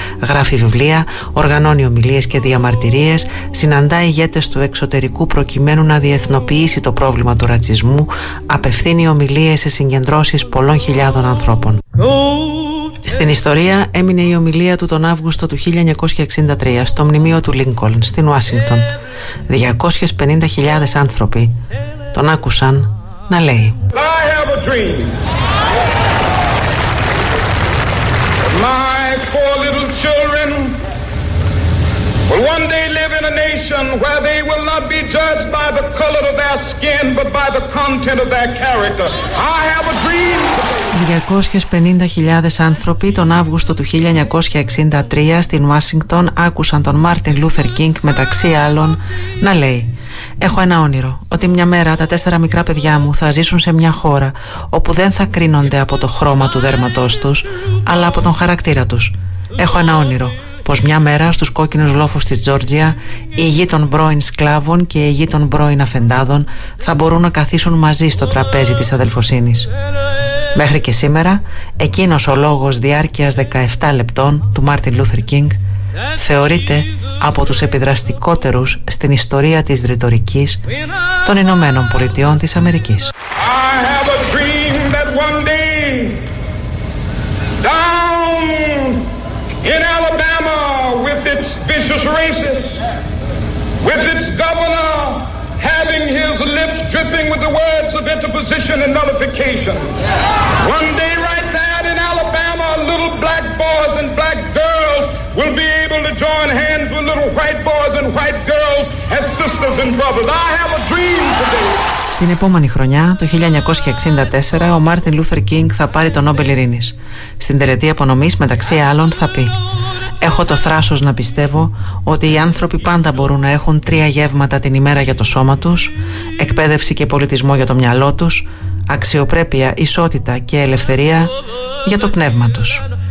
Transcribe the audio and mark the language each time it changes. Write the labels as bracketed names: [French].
[Greek] Γράφει βιβλία, οργανώνει ομιλίες και διαμαρτυρίες, συναντά ηγέτες του εξωτερικού προκειμένου να διεθνοποιήσει το πρόβλημα του ρατσισμού, απευθύνει ομιλίες σε συγκεντρώσεις πολλών χιλιάδων ανθρώπων. Στην ιστορία έμεινε η ομιλία του τον Αύγουστο του 1963 στο μνημείο του Λίνκολν στην Ουάσιγκτον. 250.000 άνθρωποι τον άκουσαν να λέει. [English] I have a dream. My poor little children will one day live in a nation where they will not be judged by the color of their skin but by the content of their character. I have a dream. [Greek] 250.000 άνθρωποι τον Αύγουστο του 1963 στην Ουάσιγκτον άκουσαν τον Μάρτιν Λούθερ Κίνγκ μεταξύ άλλων να λέει: «Έχω ένα όνειρο, ότι μια μέρα τα 4 μικρά παιδιά μου θα ζήσουν σε μια χώρα όπου δεν θα κρίνονται από το χρώμα του δέρματός τους, αλλά από τον χαρακτήρα τους. Έχω ένα όνειρο, πως μια μέρα στους κόκκινους λόφους της Τζόρτζια, η γη των πρώην σκλάβων και η γη των πρώην αφεντάδων θα μπορούν να καθίσουν μαζί στο τραπέζι της αδελφοσύνης». Μέχρι και σήμερα, εκείνος ο λόγος διάρκειας 17 λεπτών του Μάρτιν Λούθερ Κίνγκ θεωρείται από τους επιδραστικότερους στην ιστορία της ρητορικής των Ηνωμένων Πολιτειών της Αμερικής. [English] I have a dream that one day, down in Alabama with its vicious races, with its governor having his lips dripping with the words of interposition and nullification. One day right there in Alabama, little black boys and black girls will be able to join hands with little white boys and white girls as sisters and brothers. I have a dream today. [Greek] Την επόμενη χρονιά, το 1964, ο Μάρτιν Λούθερ Κίνγκ θα πάρει το Νόμπελ Ειρήνης. Στην τελετή απονομής, μεταξύ άλλων, θα πει: «Έχω το θράσος να πιστεύω ότι οι άνθρωποι πάντα μπορούν να έχουν 3 γεύματα την ημέρα για το σώμα τους, εκπαίδευση και πολιτισμό για το μυαλό τους, αξιοπρέπεια, ισότητα και ελευθερία για το πνεύμα τους».